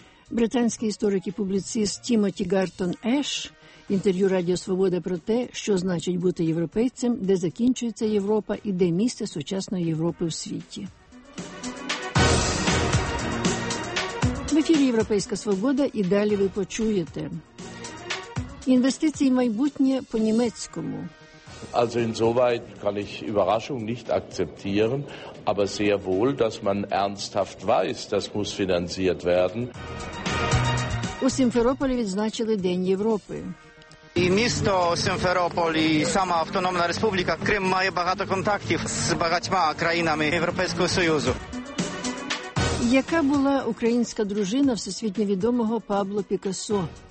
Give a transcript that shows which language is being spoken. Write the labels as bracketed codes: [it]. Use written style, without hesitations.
[uk] Британський історик і публіцист Тімоті Гартон Еш інтерв'ю Радіо Свобода про те, що значить бути європейцем, де закінчується Європа і де місце сучасної Європи в світі. В ефірі «Європейська свобода» і далі ви почуєте. Інвестиції в майбутнє по-німецькому. [de] Also insoweit kann ich Überraschung nicht akzeptieren, aber sehr wohl, dass man ernsthaft weiß, das muss finanziert werden. [uk] У Сімферополі відзначили День Європи. І місто Сімферополь, і сама Автономна Республіка Крим має багато контактів з багатьма країнами Європейського Союзу. Яка була українська дружина всесвітньо відомого Пабло Пікассо?